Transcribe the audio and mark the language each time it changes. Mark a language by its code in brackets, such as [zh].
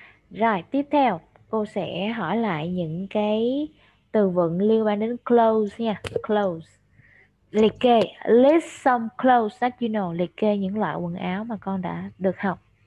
[vi] Rồi, tiếp theo, cô sẽ hỏi lại những cái từ vựng liên quan đến close nha. [en] Close. [vi] Liệt kê, [en] list some clothes that you know. [vi] Liệt kê những loại quần áo mà con đã được học.